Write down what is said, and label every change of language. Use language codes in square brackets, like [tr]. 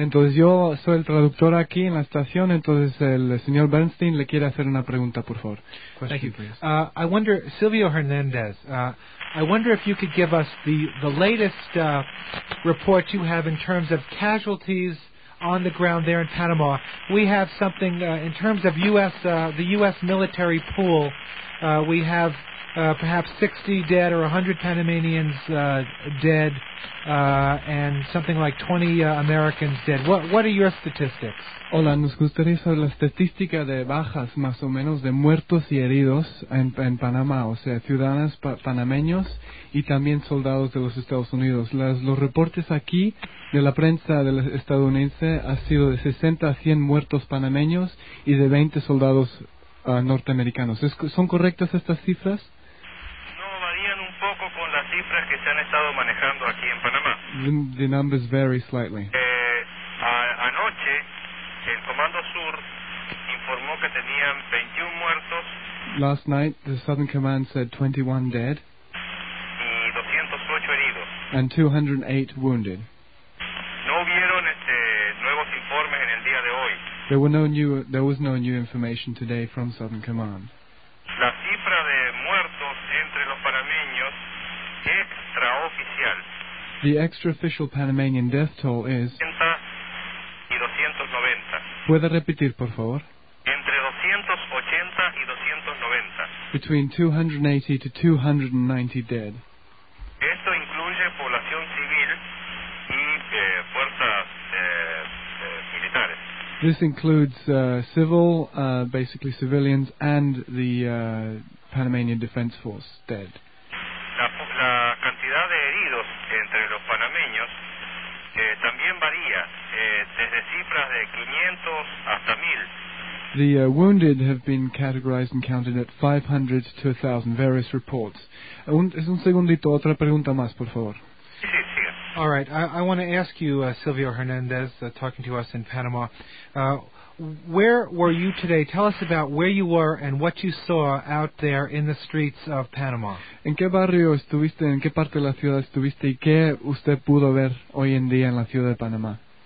[es] Entonces yo soy el traductor aquí en la estación, entonces el señor Bernstein le quiere hacer una pregunta, por favor. [en] Question. Thank you, please. I wonder, Silvio Hernandez, I wonder if you could give us the latest report you have in terms of casualties on the ground there in Panama. We have something in terms of U.S. the U.S. military pool, we have perhaps 60 dead or 100 Panamanians dead, and something like 20 Americans dead. What are your statistics? [es] Hola, nos gustaría saber la estadística de bajas, más o menos, de muertos y heridos en Panamá, o sea, ciudadanos panameños y también soldados de los Estados Unidos. Los reportes aquí de la prensa de la estadounidense ha sido de 60 a 100 muertos panameños y de 20 soldados norteamericanos. ¿Son correctas estas cifras? No, varían un poco con las cifras que se han estado manejando aquí en Panamá. [en] The numbers vary slightly. [es] Anoche, el Comando Sur informó que tenían 21 muertos. [en] Last night, the Southern Command said 21 dead. [es] Y 208 heridos. [en] And 208 wounded. [es] No hubieron nuevos informes en el día de hoy. [en] There was no new information today from Southern Command. [es] La cifra de muertos entre los panameños extraoficial. [en] The extraofficial Panamanian death toll is. [es] Y 290. ¿Puede repetir, por favor? Entre 280 y 290. [en] Between 280 to 290 dead. [es] Esto incluye población civil y fuerzas militares. [en] This includes civil, basically civilians, and the Panamanian Defense Force dead. [es] La cantidad de heridos entre los panameños también varía, desde cifras de 500 hasta 1,000. [en] The wounded have been categorized and counted at 500 to 1,000, various reports. [es] Un segundito, otra pregunta más, por favor. [en] All right, I want to ask you, Silvio Hernandez, talking to us in Panama, where were you today? Tell us about where you were and what you saw out there in the streets of Panama. [es] ¿En qué barrio estuviste, en qué parte de la ciudad estuviste y qué usted pudo ver hoy en día en la ciudad de Panamá?